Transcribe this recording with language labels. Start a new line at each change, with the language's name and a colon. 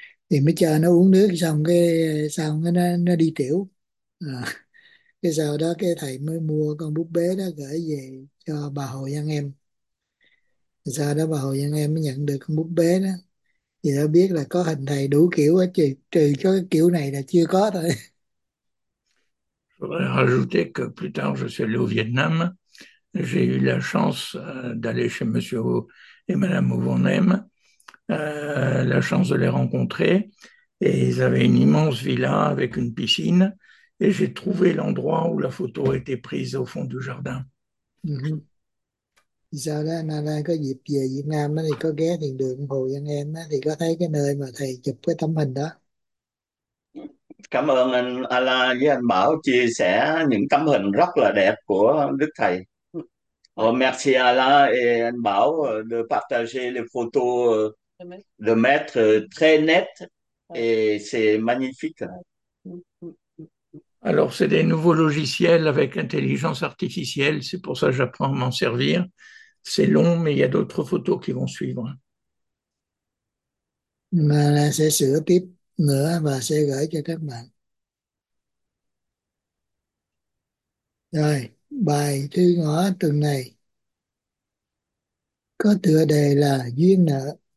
Vietnamese: Thì mới cho nó uống nước xong cái xong cái nó đi tiểu à. Cái sau đó cái thầy mới mua con búp bê đó gửi về cho bà Hồ Văn Em. Sau đó bà Hồ Văn Em mới nhận được con búp bê đó. Thì nó biết là có hình thầy đủ kiểu á, trừ cho cái kiểu này là chưa có thôi.
French: Je voudrais rajouter que plus tard, je suis allé au Vietnam. J'ai eu la chance d'aller chez Monsieur Ho et Madame Ho Van Em, la chance de les rencontrer. Et ils avaient une immense villa avec une piscine. Et j'ai trouvé l'endroit où la photo a été prise au fond du jardin.
Vietnamese: Sau đó anh Alan có dịp về Việt Nam đó, thì có ghé thiền đường Hồ Văn Em đó, thì có thấy cái nơi mà thầy chụp cái tấm hình đó. Cảm ơn anh Ala với anh Bảo chia sẻ những tấm hình rất là đẹp của Đức Thầy.
French: Oh, merci Ala et anh Bảo de partager les photos
Vietnamese: Mấy
French: de maître très net et c'est magnifique. Alors, c'est des nouveaux logiciels avec intelligence artificielle, c'est pour ça que j'apprends à m'en servir. C'est long, mais il y a d'autres photos qui vont suivre.
Vietnamese: mà sẽ sửa tiếp nữa và sẽ gửi cho các bạn. Rồi, bài thư ngõ tuần này có tựa đề là Duyên nợ.